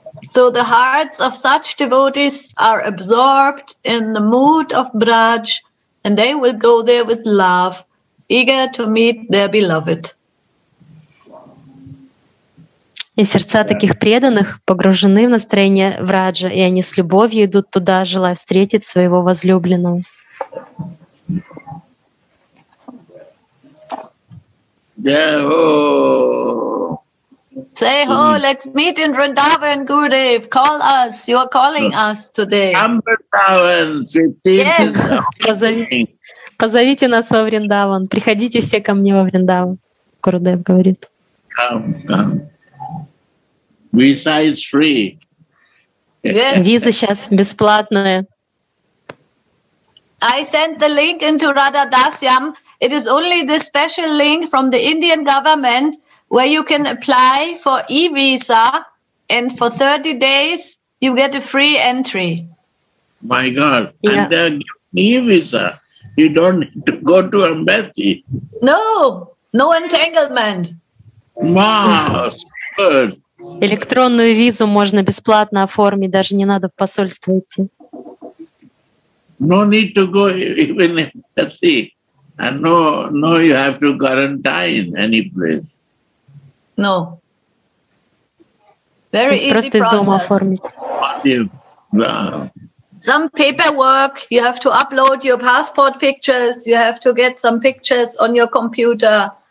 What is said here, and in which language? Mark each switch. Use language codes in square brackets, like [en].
[en] So the hearts of such devotees are absorbed in the mood of Braj, and they will go there with love, eager to meet their beloved. [ru] И сердца таких преданных погружены в настроение Враджа, и они с любовью идут туда, желая встретить своего возлюбленного. [en] Say ho, let's meet in Vrindavan, Gurudev. Call us. You are calling us today. Vrindavan, yes. [ru] Позовите нас во Вриндаван. Приходите все ко мне во Вриндаван, Гурудев говорит. [en] Come. Visa is free. Yes. [ru] Виза сейчас бесплатная. [en] I sent the link into Radha Dasyam. It is only this special link from the Indian government, where you can apply for e-visa, and for 30 days you get a free entry. My God, yeah. And they're giving e-visa. You don't need to go to embassy. No, no entanglement. Wow, good. [ru] Электронную визу можно бесплатно оформить, даже не надо в посольство идти. [en] No need to go even embassy. And no, you have to quarantine any place. No. Very easy process. Some paperwork, you have to upload your passport pictures, you have to get some pictures on your computer.